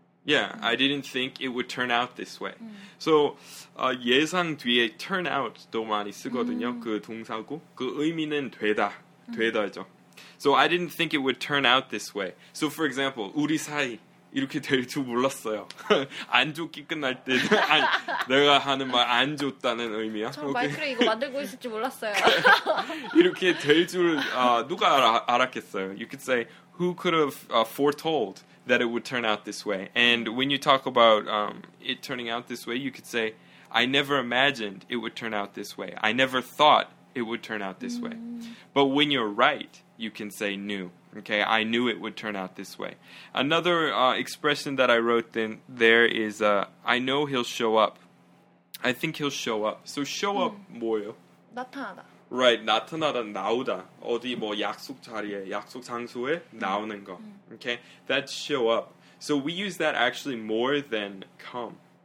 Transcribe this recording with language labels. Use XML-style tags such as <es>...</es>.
<en>Yeah, I didn't think it would turn out this way.</en> <ko>So 예상 뒤에 turn out도 많이 쓰거든요. 그 동사고 그 의미는 되다, 되다죠.</ko> <en>So I didn't think it would turn out this way. So for example,</en> <ko>우리 사이 이렇게 될 줄 몰랐어요. 안 좋게 끝날 때 내가 하는 말 안 좋다는 의미야. 전 마이크를 이거 만들고 있을 줄 몰랐어요. 이렇게 될 줄 누가 알았겠어요.</ko> <en>You could say, who could have foretold that it would turn out this way? And when you talk about it turning out this way, you could say, I never imagined it would turn out this way. I never thought it would turn out this way. But when you're right, you can say knew. Okay, I knew it would turn out this way. Another expression that I wrote then there is, I know he'll show up. I think he'll show up. So show up</en> <ko>뭐예요? 나타나다. Right, 나타나다, 나오다. 어디 뭐 약속 자리에, 약속 장소에 나오는 거.</ko> <en>Okay, that's show up. So we use that actually more than come.</en>